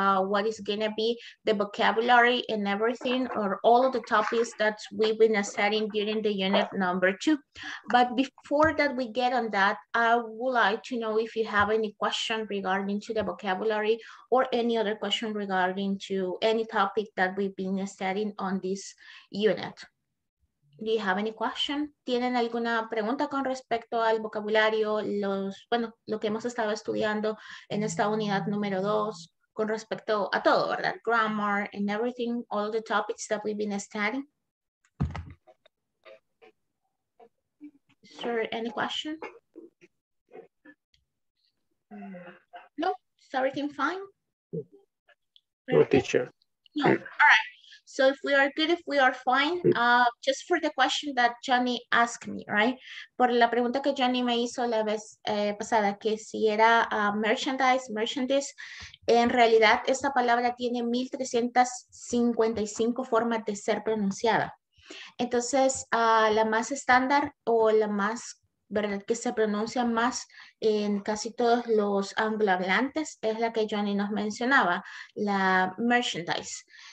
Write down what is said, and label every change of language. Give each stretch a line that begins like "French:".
English: What is gonna be the vocabulary and everything, or all of the topics that we've been studying during the unit number 2. But before that we get on that, I would like to know if you have any question regarding to the vocabulary or any other question regarding to any topic that we've been studying on this unit. Do you have any question?
Spanish: ¿Tienen alguna pregunta con respecto al vocabulario, lo que hemos estado estudiando en esta unidad número 2 con respecto a todo, ¿verdad?
English: Grammar and everything, all the topics that we've been studying. Is there any question? No, is everything fine? No, teacher. No, all right. So if we are good, if we are fine, just for the question that Johnny asked me, right?
Spanish: Por la pregunta que Johnny me hizo la vez pasada, que si era merchandise, en realidad esta palabra tiene 1355 formas de ser pronunciada. Entonces, la más estándar o la más, ¿verdad?, que se pronuncia más en casi todos los anglohablantes es la que Johnny nos mencionaba, la merchandise.